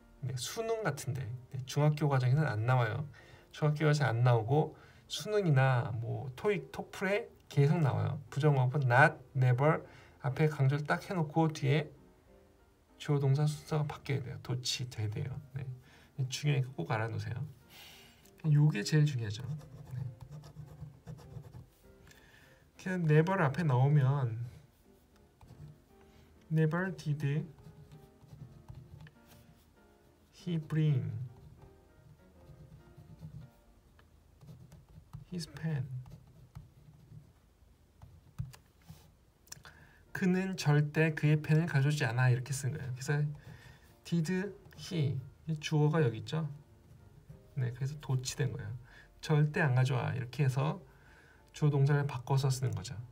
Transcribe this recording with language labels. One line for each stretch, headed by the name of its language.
Korean: 네, 수능 같은데. 네, 중학교 과정에는 안 나와요. 중학교 과정에 안 나오고 수능이나 뭐 토익, 토플에 계속 나와요. 부정어구 not, never 앞에 강조를 딱 해놓고 뒤에 주어 동사 순서가 바뀌어야 돼요. 도치돼야 돼요. 네, 중요한 거꼭 알아놓으세요. 요게 제일 중요하죠. 그냥 never 앞에 나오면
English: never did he bring his pen.
Korean: 그는 절대 그의 펜을 가져오지 않아. 이렇게 쓴 거예요. 그래서 did he 주어가 여기 있죠. 네, 그래서 도치된 거예요. 절대 안 가져와. 이렇게 해서 주어 동사를 바꿔서 쓰는 거죠.